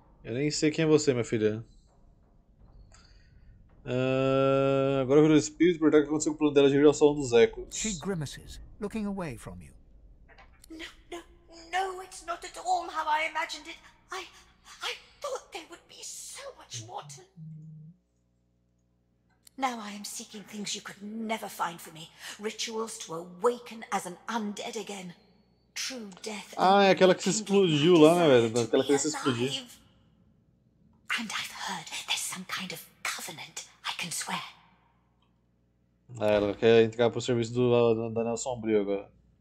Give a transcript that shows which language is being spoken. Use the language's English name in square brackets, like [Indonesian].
[Portuguese] Eu nem sei quem é você, minha filha. Agora eu viro o espírito para ver o que aconteceu com o plano dela de vir ao Salão dos Ecos. [English] She grimaces, looking away from you. No, no, no, it's not at all how I imagined it. I thought there would be so much more to... Now I am seeking things you could never find for me. Rituals to awaken as an undead again. True death. [Portuguese] Ah, é aquela que se explodiu lá, né, velho? Aquela que se explodiu. [English] And I've heard there's some kind of covenant I can swear. [Portuguese] Ah, ela quer entrar pro serviço do Daniel Sombrio agora.